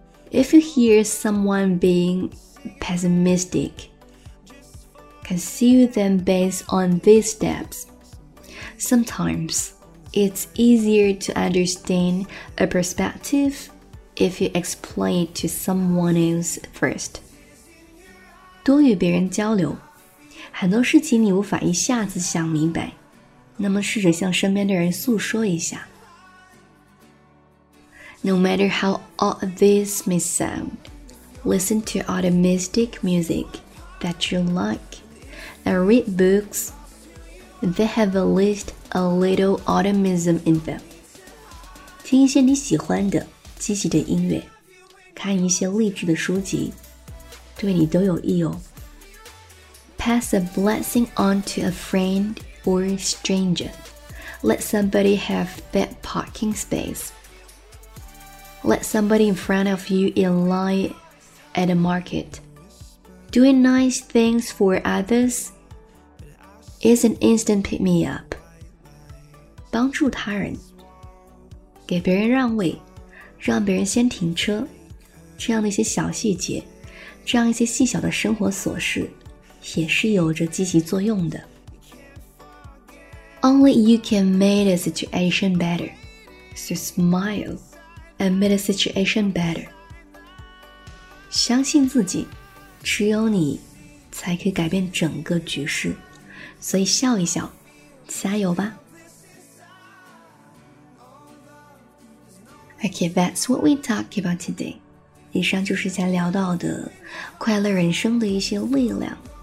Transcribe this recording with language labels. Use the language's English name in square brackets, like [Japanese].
[English] If you hear someone being pessimistic, conceive them based on these steps. Sometimes, it's easier to understand a perspective if you explain it to someone else first. [Chinese] 多与别人交流，很多事情你无法一下子想明白，那么试着向身边的人诉说一下。 [English] No matter how odd this may sound, listen to optimistic music that you like, and read books that have at least a little optimism in them. [Chinese] 听一些你喜欢的、积极的音乐，看一些励志的书籍，对你都有益哦。 [English] Pass a blessing on to a friend or stranger. Let somebody have that parking space. Let somebody in front of you in line at a market. Doing nice things for others is an instant pick-me-up. [Chinese] 帮助他人，给别人让位，让别人先停车，这样的一些小细节，这样一些细小的生活琐事也是有着积极作用的。 [English] Only you can make a situation better, so smile and make a situation better. [Chinese] 相信自己，只有你才可以改变整个局势，所以笑一笑，加油吧。 [English] Okay, that's what we talk about today. [Chinese] 以上就是咱聊到的快乐人生的一些力量。